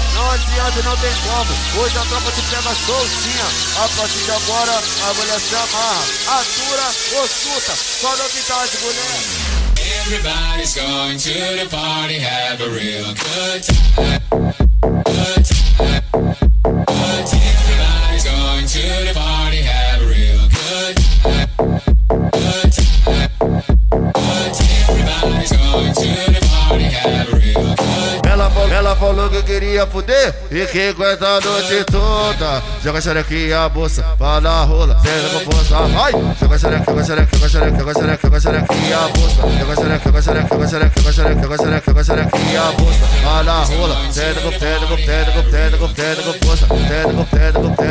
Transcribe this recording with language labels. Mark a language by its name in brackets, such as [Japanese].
[Portuguese] Não adianta, não tem como. Hoje a tropa te pega soltinha. A partir de agora, a mulher se amarra. Atura, ossuta. Só novidade, mulher. [English] Everybody's going to the party. Have a real good time. Good time. But everybody's going to the party, have a real good time. Good time. But everybody's going to the party, have a real good time. [Portuguese] Ela falou que queria fuder e que aguenta a noite toda. Joga xerequinha a bolsa, fala rola, senta com força. Ai! Joga xerequinha, xerequinha, xerequinha, xerequinha, xerequinha a bolsa. Joga xerequinha, xerequinha, xerequinha, xerequinha, xerequinha, xerequinha a bolsa. Fala rola, senta com força. Senta com força, senta com força. Senta com força, senta com força.